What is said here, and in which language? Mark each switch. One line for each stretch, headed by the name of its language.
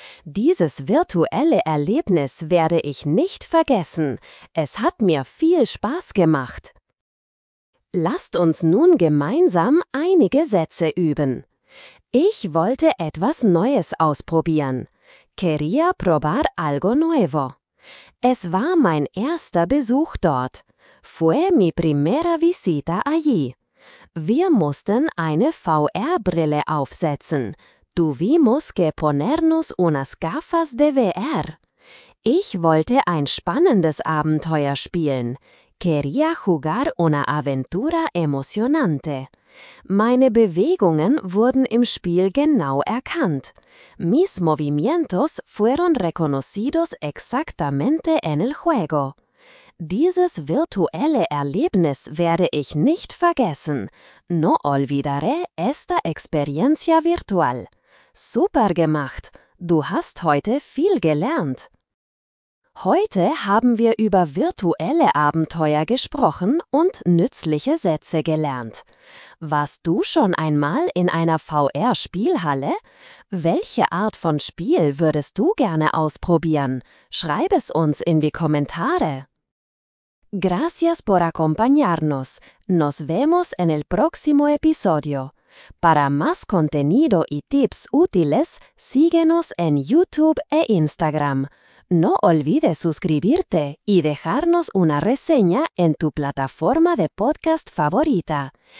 German: Dieses virtuelle Erlebnis werde ich nicht vergessen. Es hat mir viel Spaß gemacht. Lasst uns nun gemeinsam einige Sätze üben. Ich wollte etwas Neues ausprobieren.
Spanish: Quería probar algo nuevo.
German: Es war mein erster Besuch dort.
Spanish: Fue mi primera visita allí.
German: Wir mussten eine VR-Brille aufsetzen.
Spanish: Tuvimos que ponernos unas gafas de VR.
German: Ich wollte ein spannendes Abenteuer spielen.
Spanish: Quería jugar una aventura emocionante.
German: Meine Bewegungen wurden im Spiel genau erkannt.
Spanish: Mis movimientos fueron reconocidos exactamente en el juego.
German: Dieses virtuelle Erlebnis werde ich nicht vergessen.
Spanish: No olvidaré esta experiencia virtual.
German: Super gemacht! Du hast heute viel gelernt. Heute haben wir über virtuelle Abenteuer gesprochen und nützliche Sätze gelernt. Warst du schon einmal in einer VR-Spielhalle? Welche Art von Spiel würdest du gerne ausprobieren? Schreib es uns in die Kommentare.
Spanish: Gracias por acompañarnos. Nos vemos en el próximo episodio. Para más contenido y tips útiles, síguenos en YouTube e Instagram. No olvides suscribirte y dejarnos una reseña en tu plataforma de podcast favorita.